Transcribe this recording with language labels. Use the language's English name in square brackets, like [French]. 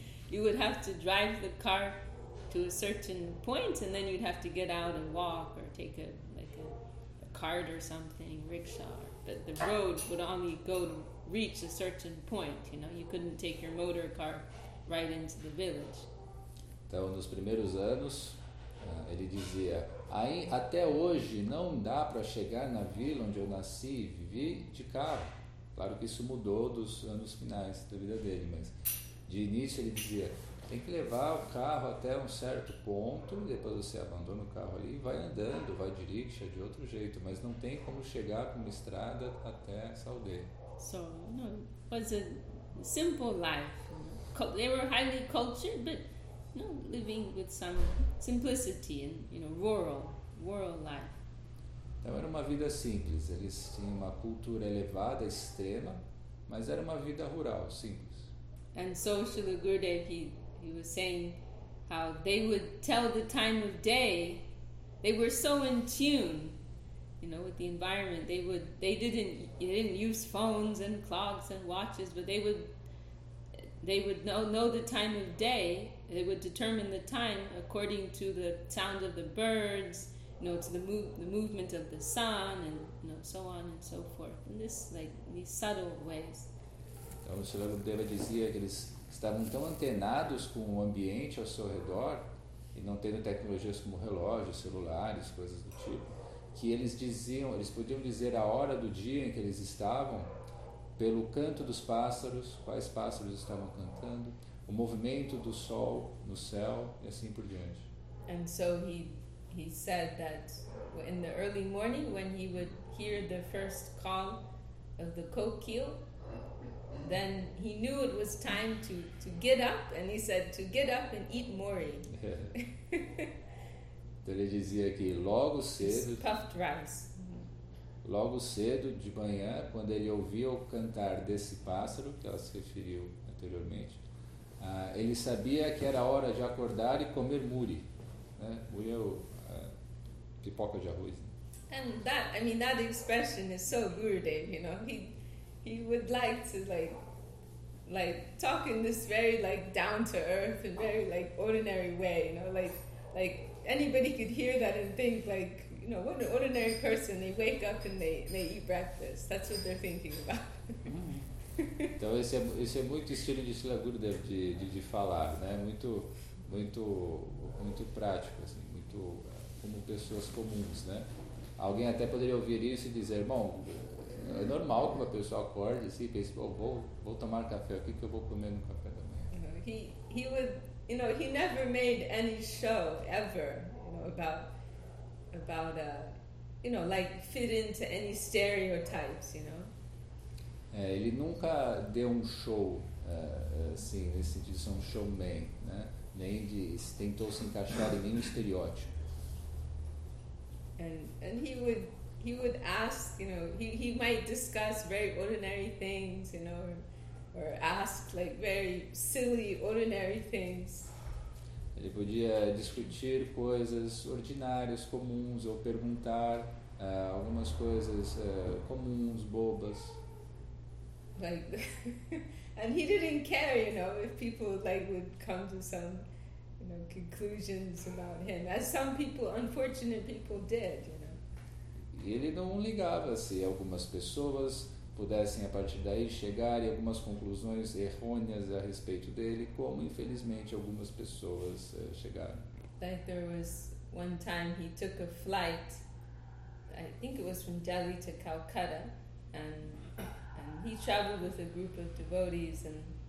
[English] You would have to drive the car to a certain point, and then you'd have to get out and walk or take a cart or something, rickshaw. But the road would only go to reach a certain point, you know. You couldn't take your motor car right into the village. [Portuguese] Então, nos primeiros anos, ele dizia, aí, até hoje não dá para chegar na vila onde eu nasci e vivi de carro. Claro que isso mudou dos anos finais da vida dele, mas de início ele dizia, tem que levar o carro até um certo ponto, depois você abandona o carro ali e vai andando, vai de rickshaw, de outro jeito, mas não tem como chegar com uma estrada até essa aldeia. [English] So, no, it was a simple life. They were highly cultured, but no, living with some simplicity and, you know, rural life. [Portuguese] Então era uma vida simples. Eles tinham uma cultura elevada, extrema, mas era uma vida rural, simples. [English] And so Srila Gurudev, he was saying how they would tell the time of day. They were so in tune, you know, with the environment. They didn't use phones and clocks and watches, but they would know the time of day. They would determine the time according to the sound of the birds, you know, to the movement of the sun, and, you know, so on and so forth. In this, like, these subtle ways. [Portuguese] Então, o Srila Gurudeva dizia que eles estavam tão antenados com o ambiente ao seu redor, e não tendo tecnologias como relógios, celulares, coisas do tipo, que eles podiam dizer a hora do dia em que eles estavam pelo canto dos pássaros, quais pássaros estavam cantando, o movimento do sol no céu e assim por diante. [English] And so he said that in the early morning, when he would hear the first call of the kokil, then he knew it was time to get up, and he said to get up and eat mori. [Portuguese] Então ele dizia que logo cedo, [English] puffed rice. [Portuguese] Logo cedo de manhã, quando ele ouvia o cantar desse pássaro que ela se referiu anteriormente, ele sabia que era hora de acordar e comer muri, né? Muri é pipoca de arroz. Né? [English] And that, I mean, that expression is so Gurudev, you know. He would like to like talk in this very like down to earth and very like ordinary way, you know, like anybody could hear that and think like, you know, what an ordinary person, they wake up and they eat breakfast. That's what they're thinking about. [Portuguese] Então esse é muito estilo de Srila Gurudev de falar, né? Muito muito prático, assim, muito como pessoas comuns, né? Alguém até poderia ouvir isso e dizer, bom, é normal que uma pessoa acorde assim, e pense, vou tomar café aqui que eu vou comer no café da manhã. [English] He would, you know, he never made any show ever, you know, you know, like fit into any stereotypes, you know. [Portuguese] É, ele nunca deu um show assim, nesse sentido, um showman, né? Nem de se tentou se encaixar em nenhum estereótipo. [English] And he would ask, you know, he might discuss very ordinary things, you know. Or ask like very silly, ordinary things. [Portuguese] Ele podia discutir coisas ordinárias, comuns, ou perguntar algumas coisas comuns, bobas. [English] Like, and he didn't care, you know, if people like would come to some, you know, conclusions about him, as some people, unfortunate people did, you know. [Portuguese] Ele não ligava se algumas pessoas pudessem a partir daí chegar em algumas conclusões errôneas a respeito dele, como infelizmente algumas pessoas chegaram. [English] Like there was one time he took a flight, I think it was from Delhi to Calcutta, and he traveled with a group of devotees, and